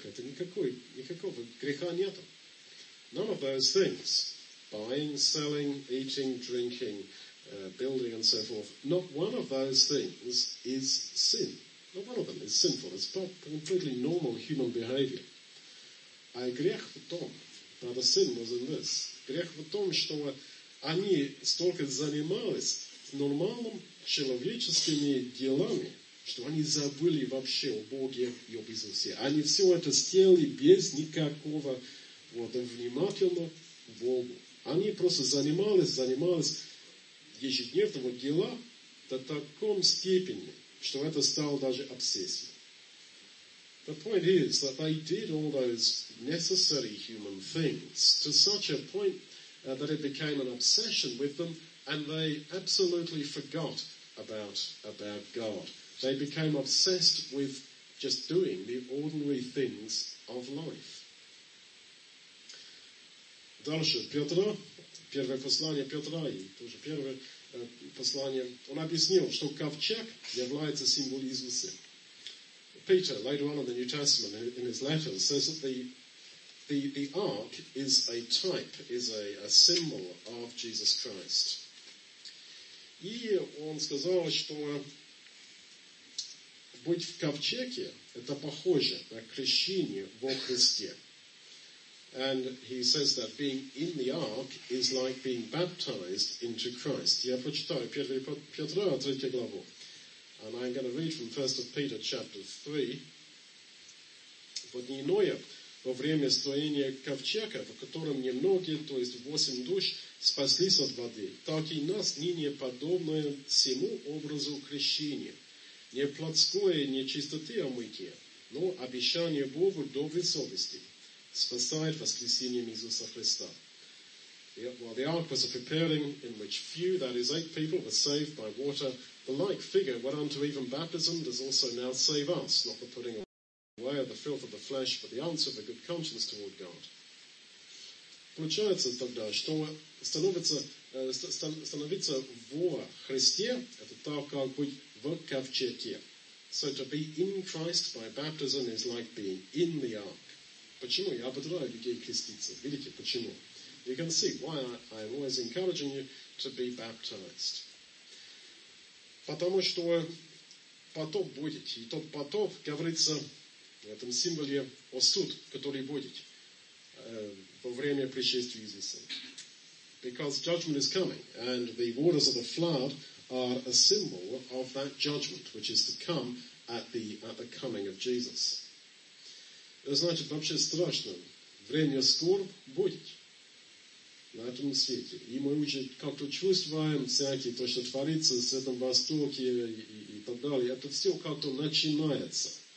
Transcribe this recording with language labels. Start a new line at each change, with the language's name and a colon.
Russian: Это никакого греха нету.
English: None of those things, buying, selling, eating, drinking, building and so forth, not one of those things is sin. Not one of them is sinful. It's completely normal human behavior.
Russian: А грех в том, правда,
English: sin was in this.
Russian: Грех в том, что они столько занимались нормальным человеческими делами, что они забыли вообще о Боге и об Иисусе. Они все это сделали без никакого внимательно Богу. Они просто занимались ежедневного дела до таком степени, что это стало даже обсессией.
English: The point is that they did all those necessary human things to such a point that it became an obsession with them, and they absolutely forgot about God. They became obsessed with just doing the ordinary things of life.
Russian: Дальше Петра, первое послание Петра, и тоже первое послание, он объяснил, что ковчег является символом Иисуса.
English: Peter, later on in the New Testament, in his letter, says that the ark is a type, is a symbol of Jesus Christ.
Russian: И он сказал, что быть в ковчеге, это похоже на крещение во Христе.
English: And he says that being in the ark is like being baptized into Christ.
Russian: Я прочитаю 1 Петра, 3 главу.
English: And I'm going to read from 1 Peter, chapter 3.
Russian: Вот не иное, во время строения ковчега, в котором немногие, то есть 8 душ, спаслись от воды, так и нас ныне подобное всему образу крещения. Не плотское, не чистоты омытие, но обещание Богу доброй совести. Спасает воскресением Иисуса Христа.
English: While the ark was preparing, in which few, that is 8 people, were saved by water, the like figure went unto even baptism, does also now save us, not the putting away of the filth of the flesh, but the answer of a good conscience toward God.
Russian: Получается тогда, что становится во Христе, это так, как быть в ковчеге.
English: So to be in Christ by baptism is like being in the ark.
Russian: Почему я ободряю людей креститься? Видите, почему?
English: You can see why I'm always encouraging you to be baptized.
Russian: Потому что потоп будет. И тот потоп, говорится в этом символе, о суд, который будет во время пришествия Иисуса.
English: Because judgment is coming, and the waters of the flood are a symbol of that judgment, which is to come at the coming of Jesus.
Russian: Это значит вообще страшно. Время скорб будет на этом свете. И мы уже как-то чувствуем всякие то, что творится в этом Востоке и так далее. Это все как-то начинается.